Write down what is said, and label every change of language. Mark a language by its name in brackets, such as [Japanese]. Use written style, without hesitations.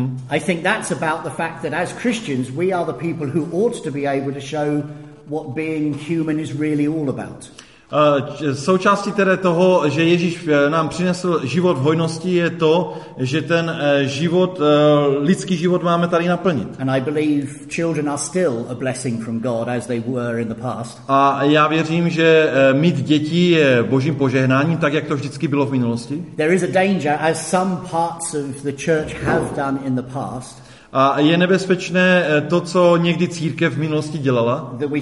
[English] I think that's about the fact that as Christians, we are the people who ought to be able to show what being human is really all about. [Czech] Součástí tedy toho, že Ježíš nám přinesl život v hojnosti, je to, že ten život, lidský život máme tady naplnit. [English] And I believe children are still a blessing from God as they were in the past. [Czech] A já věřím, že mít děti je Božím požehnáním, tak jak to vždycky bylo v minulosti. [English] There is a danger as some parts of the church have done in the past. [Czech] A je nebezpečné to, co někdy církev v minulosti dělala.